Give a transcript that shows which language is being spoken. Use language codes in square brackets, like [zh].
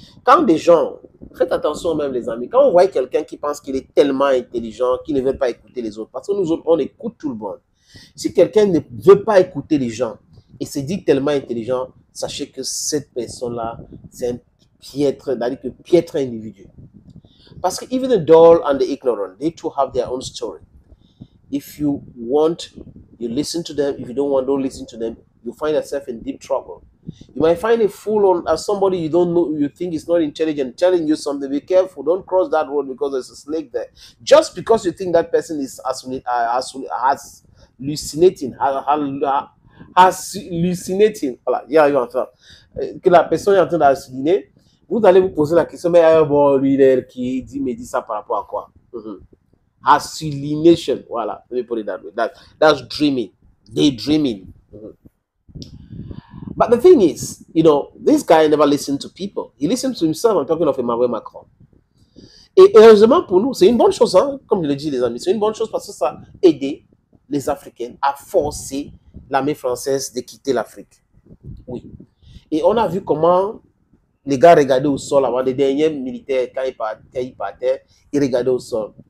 [fr] Quand des gens, faites attention même les amis, quand vous voyez quelqu'un qui pense qu'il est tellement intelligent qu'il ne veut pas écouter les autres, parce que nous autres, on écoute tout le monde. Si quelqu'un ne veut pas écouter les gens et se dit tellement intelligent, sachez que cette personne-là, c'est un piètre, d'ailleurs que piètre individu. Parce que [en] even the dull and the ignorant, they too have their own story. If you want, you listen to them. If you don't want, don't listen to them. You find yourself in deep trouble. You might find a fool on as somebody you don't know, you think is not intelligent, telling you something. Be careful, don't cross that road because there's a snake there. Just because you think that person is as hallucinating, hallucinating, [fr] voilà, il arrive en train, que la personne est en train d'halluciner, vous allez vous poser la question, mais bon, lui, il est qui me dit ça par rapport à quoi? [en] Hallucination, voilà, let me put it that way. That's dreaming, daydreaming. But the thing is, you know, this guy never listened to people. He listened to himself, I'm talking of Emmanuel Macron. [fr] Et heureusement pour nous, c'est une bonne chose, hein, comme je l'ai dit, les amis, c'est une bonne chose parce que ça a aidé les Africaines à forcer l'armée française de quitter l'Afrique. Oui. Et on a vu comment les gars regardaient au sol avant les derniers militaires, quand ils partaient, ils regardaient au sol.